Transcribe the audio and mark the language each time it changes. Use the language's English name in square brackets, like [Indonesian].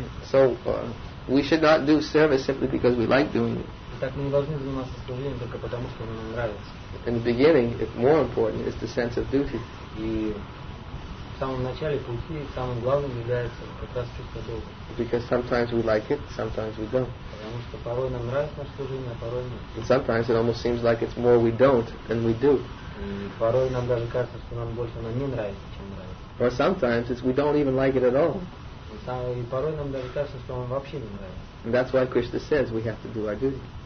[English] So we should not do service simply because we like doing it. [Russian] Так мы не должны заниматься служением только потому, что нам нравится. [English] In the beginning, it's more important is the sense of duty. [Russian] И в самом начале пути самым главным является как раз чувство долга. [English] Because sometimes we like it, sometimes we don't. [Russian] Потому что порой нам нравится наше служение, а порой нет. [English] And sometimes it almost seems like it's more we don't than we do. [Russian] И порой нам даже кажется, что нам больше оно не нравится, чем нравится. [English] Or sometimes it's we don't even like it at all. [Russian] И порой нам даже кажется, что нам вообще не нравится. [English] And that's why Krishna says we have to do our duty.